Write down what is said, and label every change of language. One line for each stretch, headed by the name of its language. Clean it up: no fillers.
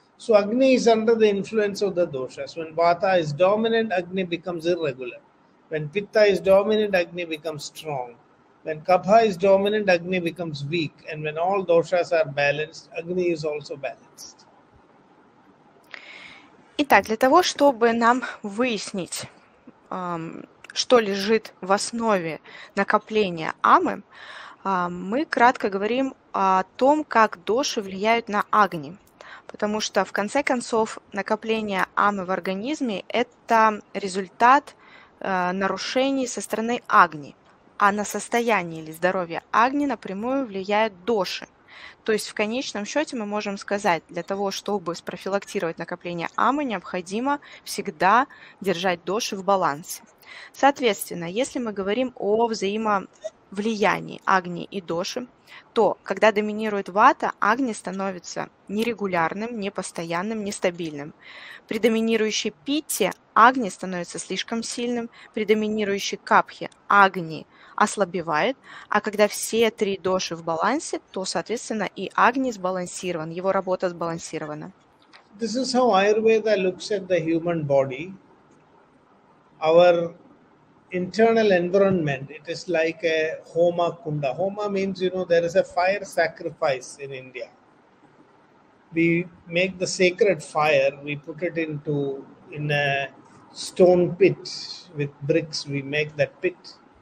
English: So Agni is under the influence of the doshas. When Vata is dominant, Agni becomes irregular. When Pitta is dominant, Agni becomes strong. When Kapha is dominant, Agni becomes weak. And when all doshas are balanced, Agni is also balanced.
Russian: Итак, для того, чтобы нам выяснить, что лежит в основе накопления Амы, мы кратко говорим о том, как доши влияют на Агни. Потому что, в конце концов, накопление амы в организме – это результат нарушений со стороны агни. А на состояние или здоровье агни напрямую влияют доши. То есть, в конечном счете, мы можем сказать, для того, чтобы спрофилактировать накопление амы, необходимо всегда держать доши в балансе. Соответственно, если мы говорим о взаимовлиянии агни и доши, то, когда доминирует вата, агни становится нерегулярным, непостоянным, нестабильным. При доминирующей питте агни становится слишком сильным, при доминирующей капхе агни ослабевает, а когда все три доши в балансе, то, соответственно, и агни сбалансирован, его работа сбалансирована.
English: This is how Ayurveda looks at the human body. Our internal environment, it is like a Homa Kunda. Homa means, you know, there is a fire sacrifice in India. We make the sacred fire, we put it in a stone pit with bricks, we make that pit.